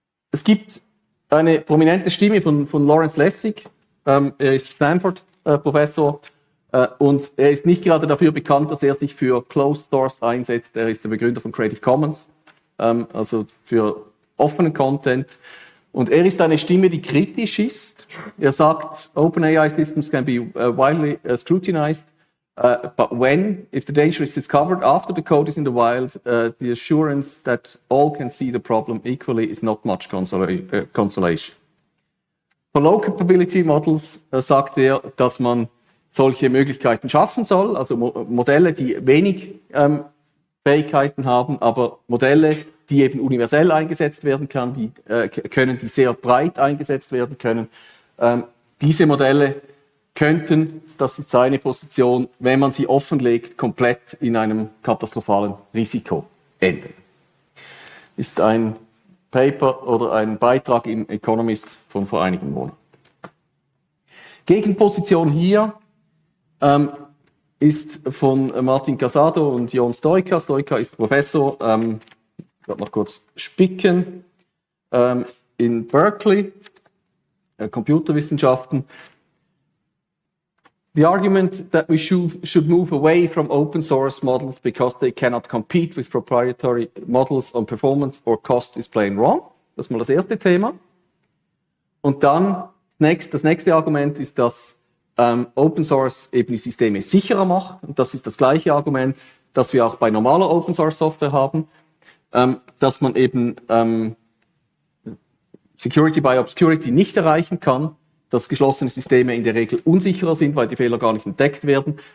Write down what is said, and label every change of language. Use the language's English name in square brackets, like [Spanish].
[German] Es gibt eine prominente Stimme von Lawrence Lessig, er ist Stanford Professor und er ist nicht gerade dafür bekannt, dass er sich für Closed Source einsetzt. Er ist der Begründer von Creative Commons, also für offenen Content. Und er ist eine Stimme, die kritisch ist. Er sagt, [English] OpenAI systems can be widely scrutinized, but when, if the danger is discovered after the code is in the wild, the assurance that all can see the problem equally is not much consolation. For low capability models [German] sagt er, dass man solche Möglichkeiten schaffen soll, also Modelle, die wenig Fähigkeiten haben, aber Modelle, die eben universell eingesetzt werden können, die sehr breit eingesetzt werden können. Diese Modelle könnten, das ist seine Position, wenn man sie offenlegt, komplett in einem katastrophalen Risiko enden. Ist ein Paper oder einen Beitrag im Economist von vor einigen Monaten. Gegenposition hier, ist von Martin Casado und Jon Stoika. Stoika ist Professor, ich werde noch kurz spicken, in Berkeley, Computerwissenschaften. [English] The argument that we should move away from open source models because they cannot compete with proprietary models on performance or cost is plain wrong. [German] Das ist mal das erste Thema. Und dann das nächste Argument ist, dass Open Source eben die Systeme sicherer macht. Und das ist das gleiche Argument, das wir auch bei normaler Open Source Software haben, dass man eben Security by Obscurity nicht erreichen kann, dass geschlossene Systeme in der Regel unsicherer sind, weil die Fehler gar nicht entdeckt werden.